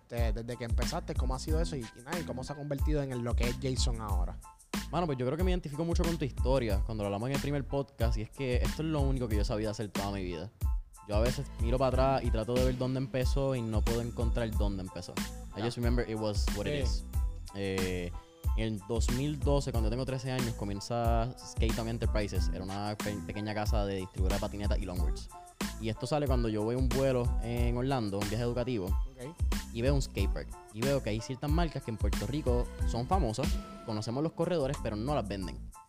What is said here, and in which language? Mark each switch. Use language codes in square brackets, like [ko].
[es] Desde que empezaste, ¿cómo ha sido eso? ¿Y cómo se ha convertido en lo que es Jason ahora? Bueno, pues yo creo que me identifico mucho con tu historia cuando lo hablamos en el primer podcast, y es que esto es lo único que yo he sabido hacer toda mi vida. Yo a veces miro para atrás y trato de ver dónde empezó y no puedo encontrar dónde empezó. [en] Yeah. I just remember it was what it is. [es] En el 2012, cuando yo tengo 13 años, comienza Skate Enterprises. Era una pequeña casa de distribuidora de patinetas y longboards. Y esto sale cuando yo voy a un vuelo en Orlando, un viaje educativo, okay. Y veo un skatepark. Y veo que hay ciertas marcas que en Puerto Rico son famosas, conocemos los corredores, pero no las venden.